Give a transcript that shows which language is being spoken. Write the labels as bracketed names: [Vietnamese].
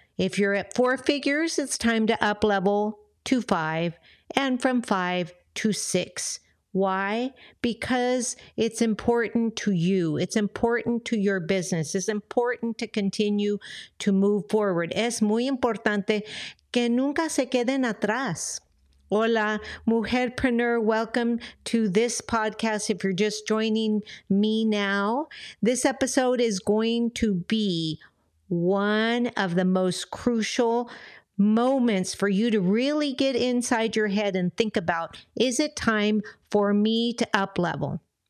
[English] If you're at four figures, it's time to up level to five and from five to six. Why? Because it's important to you. It's important to your business. It's important to continue to move forward. [Spanish] Es muy importante que nunca se queden atrás. [English] Hola, Mujerpreneur, welcome to this podcast. If you're just joining me now, this episode is going to be one of the most crucial moments for you to really get inside your head and think about, is it time for me to up level?